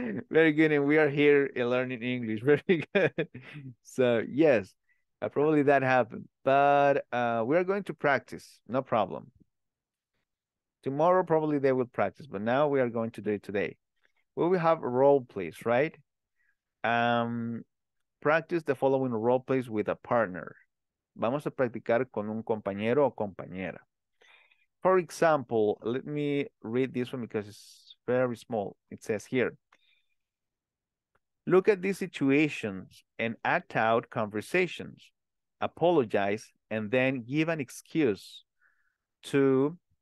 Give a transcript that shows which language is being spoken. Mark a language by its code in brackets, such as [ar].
[en] Very good, and we are here learning English. Very good. So, yes, probably that happened. But we are going to practice, no problem. Tomorrow, probably they will practice, but now we are going to do it today. We will have role plays, right? Practice the following role plays with a partner. [es] Vamos a practicar con un compañero o compañera. [en] For example, let me read this one because it's very small. It says here, look at these situations and act out conversations. Apologize and then give an excuse to